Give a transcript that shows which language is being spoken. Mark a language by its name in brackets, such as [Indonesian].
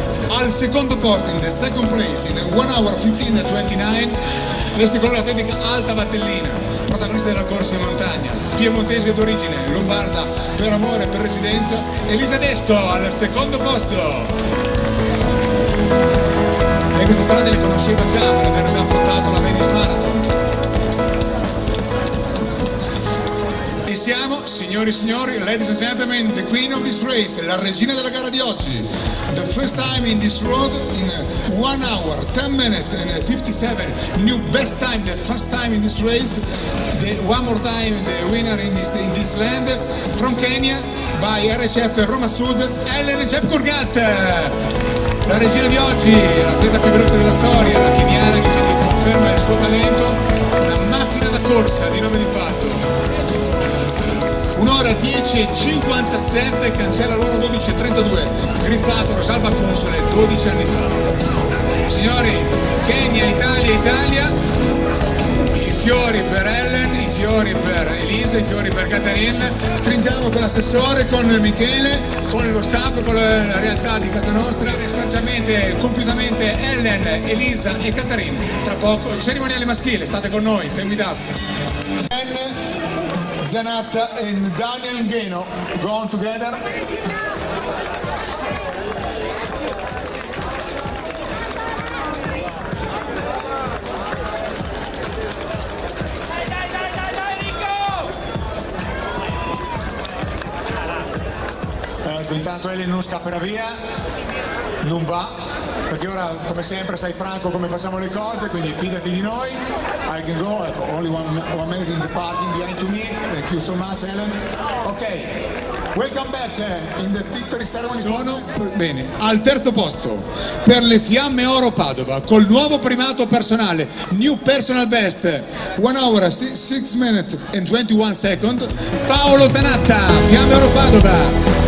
[Italian] Al secondo posto, [English] in the second place, [Italian] in 1:15:29, l'esticolore atletica Alta Vattellina, protagonista della corsa in montagna, piemontese d'origine, lombarda per amore e per residenza, Elisa Desco al secondo posto. E questa strada le conosceva già per aver già affrontato la Venice Marathon. E siamo, signori e signori, [English] ladies and gentlemen, the queen of this race, [Italian] la regina della gara di oggi. [English] The first time in this road in 1:10:57, new best time, the first time in this race, the one more time, the winner in this land, from Kenya, by RHF Roma Sud, Ellen Jepkurgat. [Italian] La regina di oggi, l'atleta più veloce della storia, la keniana che quindi conferma il suo talento, la macchina da corsa di nome di fatto. 1:10:57, cancella l'ora 12:32, grifato Rosalba Console 12 anni fa. Signori, Kenya, Italia, Italia, i fiori per Ellen, i fiori per Elisa, i fiori per Caterin. Stringiamo con l'assessore, con Michele, con lo staff, con la realtà di casa nostra, saggiamente, compiutamente Ellen, Elisa e Caterin. Tra poco, cerimoniale maschile, state con noi, [English] stay with us. Zanatta e Daniel Ngeno, go on together. [Italian] Intanto Ellen non scapperà via, non va, perché ora come sempre sai Franco come facciamo le cose, quindi fidati di noi. [English] I can go, only one minute in the parking behind to me, thank you so much Ellen. Ok, welcome back in the victory ceremony. [Italian] Sono bene, al terzo posto per le Fiamme Oro Padova, col nuovo primato personale, [English] new personal best, [Italian] 1:06:21, Paolo Zanatta, Fiamme Oro Padova.